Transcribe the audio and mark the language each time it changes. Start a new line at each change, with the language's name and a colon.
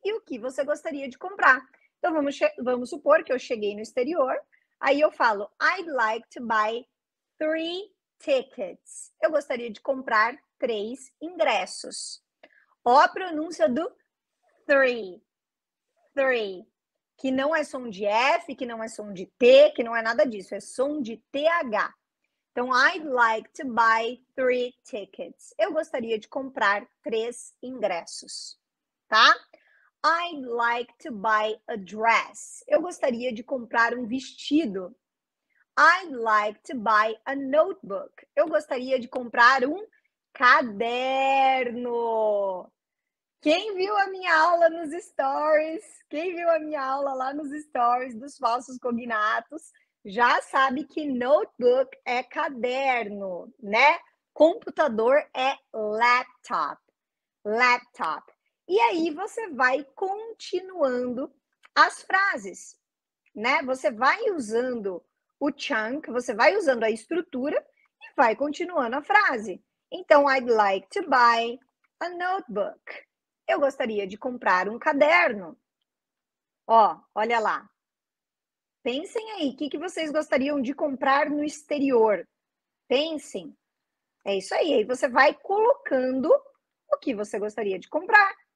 Portuguese: E o que você gostaria de comprar? Então, vamos supor que eu cheguei no exterior. Aí eu falo,
English: I'd like to buy 3 tickets.
Portuguese: Eu gostaria de comprar 3 ingressos. Ó a pronúncia do three. Three. Que não é som de F, que não é som de T, que não é nada disso, é som de TH.
English: Então, I'd like to buy 3 tickets.
Portuguese: Eu gostaria de comprar 3 ingressos, tá?
English: I'd like to buy a dress.
Portuguese: Eu gostaria de comprar um vestido.
English: I'd like to buy a notebook.
Portuguese: Eu gostaria de comprar um caderno. Quem viu a minha aula nos stories? Quem viu a minha aula lá nos stories dos falsos cognatos? Já sabe que notebook é caderno, né? Computador é laptop. Laptop. E aí você vai continuando as frases, né? Você vai usando o chunk, você vai usando a estrutura e vai continuando a frase.
English: Então, I'd like to buy a notebook.
Portuguese: Eu gostaria de comprar um caderno. Ó, olha lá. Pensem aí, o que que vocês gostariam de comprar no exterior? Pensem. É isso aí. Aí você vai colocando o que você gostaria de comprar.